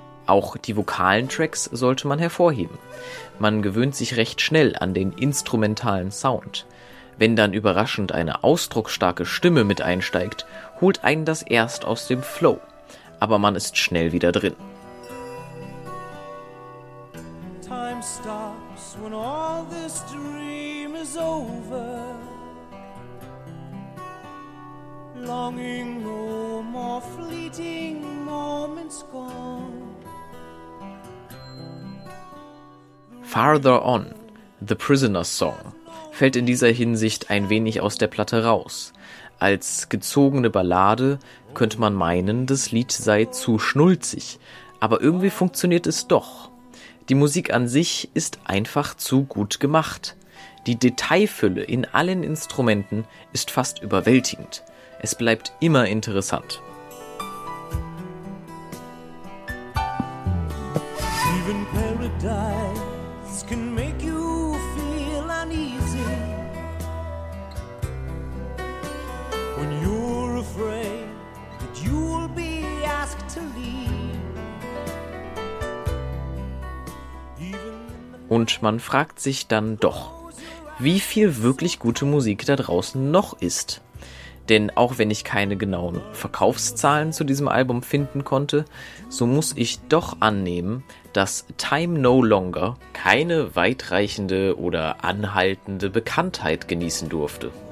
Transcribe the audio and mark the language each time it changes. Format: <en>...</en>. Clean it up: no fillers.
<de>Auch die vokalen Tracks sollte man hervorheben. Man gewöhnt sich recht schnell an den instrumentalen Sound. Wenn dann überraschend eine ausdrucksstarke Stimme mit einsteigt, holt einen das erst aus dem Flow. Aber man ist schnell wieder drin.</de> <en>Time stops when all this dream is over. Longing no more fleeting moments gone.</en> <de>Farther On, The Prisoner's Song, fällt in dieser Hinsicht ein wenig aus der Platte raus. Als gezogene Ballade könnte man meinen, das Lied sei zu schnulzig, aber irgendwie funktioniert es doch. Die Musik an sich ist einfach zu gut gemacht. Die Detailfülle in allen Instrumenten ist fast überwältigend. Es bleibt immer interessant.</de> <en>Even Paradise can make you feel uneasy when you're afraid that you'll be asked to leave.</en> <de>Und man fragt sich dann doch, wie viel wirklich gute Musik da draußen noch ist. Denn auch wenn ich keine genauen Verkaufszahlen zu diesem Album finden konnte, so muss ich doch annehmen, dass Time No Longer keine weitreichende oder anhaltende Bekanntheit genießen durfte.</de>